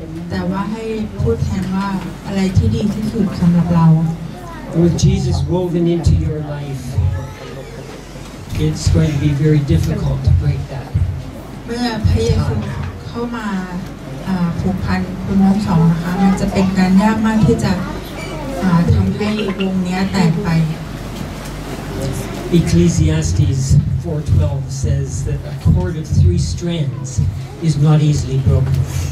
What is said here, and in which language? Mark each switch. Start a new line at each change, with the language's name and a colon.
Thai: แต่ว่าให้พูดแทนว่าอะไรที่ดีที่สุดสำหรับเรา
English: With Jesus woven into your life, it's going to be very difficult to break that.
Thai: เมื่อพระเยซูเข้ามาผูกพันคุณน้องสองนะคะมันจะเป็นการยากมากที่จะทำให้วงนี้แตกไป
English: Ecclesiastes 4:12 says that a cord of three strands is not easily broken.